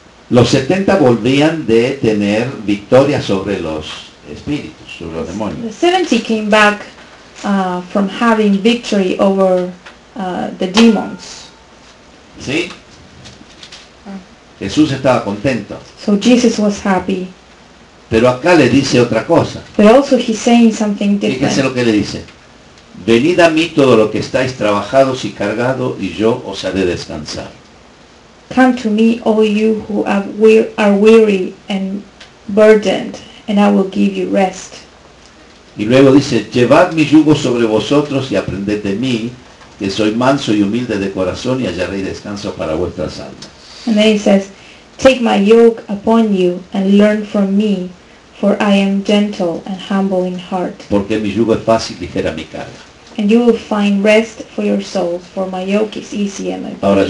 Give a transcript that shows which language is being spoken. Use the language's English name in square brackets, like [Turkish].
[Spanish] Los 70 volvían de tener victoria sobre los espíritus, sobre los demonios. [English] The 70 came back from having victory over the demons. [Spanish] ¿Sí? Jesús estaba contento. [English] So Jesus was happy. [Spanish] Pero acá le dice otra cosa. But also he's saying something different. Fíjese lo que le dice. Venid a mí todo lo que estáis trabajados y cargados y yo os haré descansar. [English] Come to me all you who are weary and burdened and I will give you rest. [Spanish] Y luego dice, llevad mi yugo sobre vosotros y aprended de mí, que soy manso y humilde de corazón y hallaréis descanso para vuestras almas. [English] And then he says, take my yoke upon you and learn from me, for I am gentle and humble in heart. [Spanish] Porque mi yugo es fácil y ligera mi carga. [English] And you will find rest for your souls, for my yoke is easy and my burden is